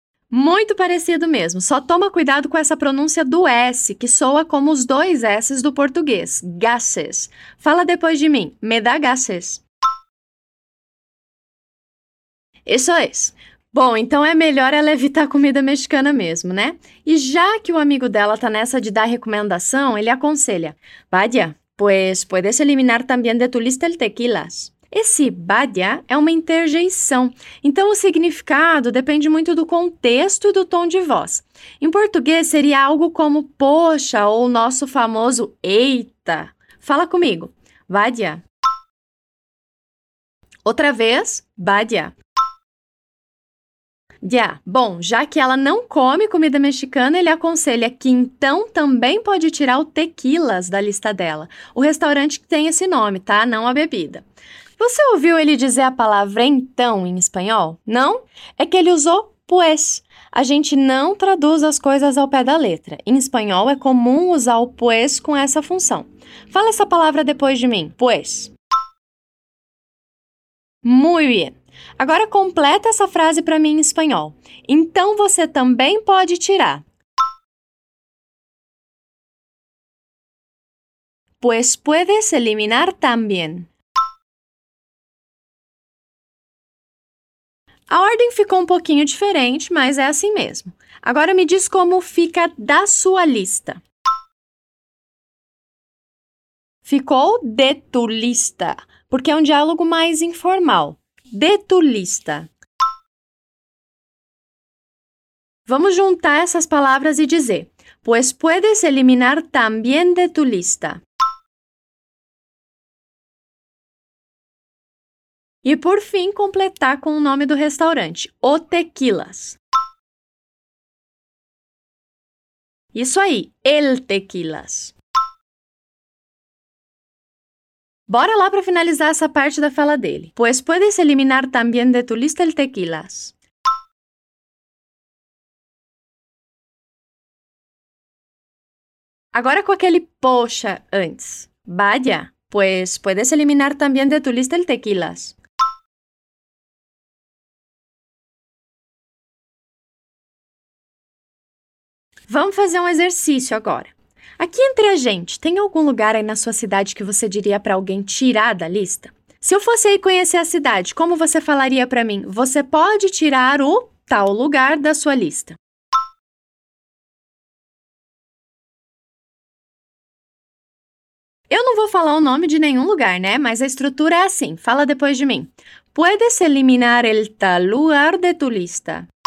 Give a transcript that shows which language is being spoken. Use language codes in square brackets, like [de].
[pt] Muito parecido mesmo. Só toma cuidado com essa pronúncia do S, que soa como os dois S's do português. Gases. Fala depois de mim. [es] Me da gases. [pt] Isso é isso. Bom, então é melhor ela evitar comida mexicana mesmo, né? E já que o amigo dela tá nessa de dar recomendação, ele aconselha. [es] Vaya, pues puedes eliminar también de tu lista el tequilas. [pt] Esse vaya é uma interjeição, então o significado depende muito do contexto e do tom de voz. Em português, seria algo como poxa ou o nosso famoso eita. Fala comigo, [es] vaya. [pt] Outra vez, [es] vaya. [pt] Yeah. Bom, já que ela não come comida mexicana, ele aconselha que então também pode tirar o tequilas da lista dela. O restaurante que tem esse nome, tá? Não a bebida. Você ouviu ele dizer a palavra então em espanhol? Não? É que ele usou pues. A gente não traduz as coisas ao pé da letra. Em espanhol é comum usar o pues com essa função. Fala essa palavra depois de mim. [es] Pues. Muy bien. [pt] Agora completa essa frase para mim em espanhol. Então você também pode tirar. [es] Pues puedes eliminar también. [pt] A ordem ficou um pouquinho diferente, mas é assim mesmo. Agora me diz como fica da sua lista. Ficou de tu lista, porque é um diálogo mais informal. [es] De tu lista. [pt] Vamos juntar essas palavras e dizer. [es] Pues puedes eliminar también de tu lista. [pt] E por fim, completar com o nome do restaurante. O Tequilas. Isso aí. El Tequilas. Bora lá para finalizar essa parte da fala dele. [es] Pues puedes eliminar también de tu lista el tequilas. [pt] Agora com aquele poxa antes. [es] Vaya, pues puedes eliminar también de tu lista el tequilas. [pt] Vamos fazer um exercício agora. Aqui entre a gente, tem algum lugar aí na sua cidade que você diria para alguém tirar da lista? Se eu fosse aí conhecer a cidade, como você falaria para mim? Você pode tirar o tal lugar da sua lista. Eu não vou falar o nome de nenhum lugar, né? Mas a estrutura é assim. Fala depois de mim. [es] Puedes eliminar el tal lugar de tu lista.